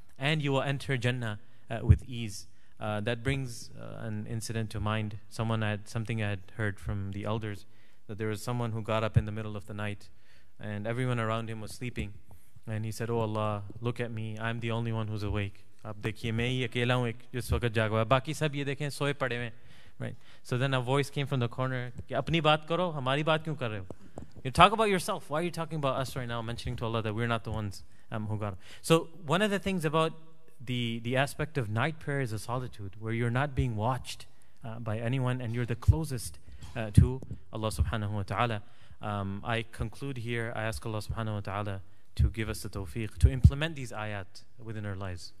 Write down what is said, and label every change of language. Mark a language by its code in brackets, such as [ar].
[en] And you will enter Jannah with ease. That brings an incident to mind. Something I had heard from the elders, that there was someone who got up in the middle of the night and everyone around him was sleeping. And he said, oh Allah, look at me, I'm the only one who's awake. [ur] آپ دیکھیے، میں ہی اکیلا ہوں جس وقت جاگ ہوا ہے، باقی سب یہ دیکھیں سوئے پڑے ہیں۔ [en] Right. So then a voice came from the corner, [ur] کہ اپنی بات کرو، ہماری بات کیوں کر رہے ہو؟ [en] You talk about yourself. Why are you talking about us right now, mentioning to Allah that we're not the ones who got up? So one of the things about the aspect of night prayer is a solitude where you're not being watched by anyone and you're the closest to Allah subhanahu wa ta'ala. I conclude here. I ask Allah subhanahu wa ta'ala to give us the tawfiq to implement these ayat within our lives.